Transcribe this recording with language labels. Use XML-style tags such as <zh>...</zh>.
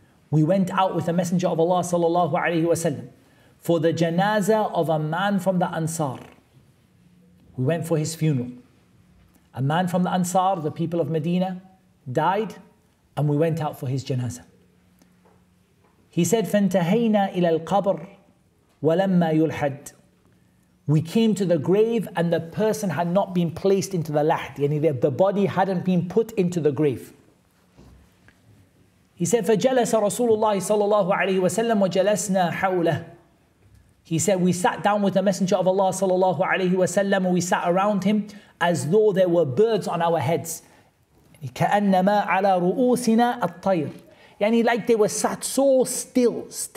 <en>We went out with a messenger of Allah sallallahu alayhi wa sallam for the janazah of a man from the Ansar. We went for his funeral. A man from the Ansar, the people of Medina, died, and we went out for his janazah. He said,</en> <ar>فَانْتَهَيْنَا إِلَى الْقَبْرِ وَلَمَّا يُلْحَدْ.</ar> <en>We came to the grave and the person had not been placed into the lahd, yani the body hadn't been put into the grave. He said,</en> <ar>فَجَلَسَ رَسُولُ اللَّهِ صَلَّى اللَّهُ عَلَيْهِ وَسَلَّمْ وَجَلَسْنَا حَوْلَهُ.</ar> <en>He said, we sat down with the Messenger of Allah</en> <ar>صلى الله عليه وسلم</ar> <en>and we sat around him as though there were birds on our heads.</en> <ar>كَأَنَّمَا عَلَى رُؤُوسِنَا الطَّيْرِ.</ar> <en>Yani like they were sat so still.</en>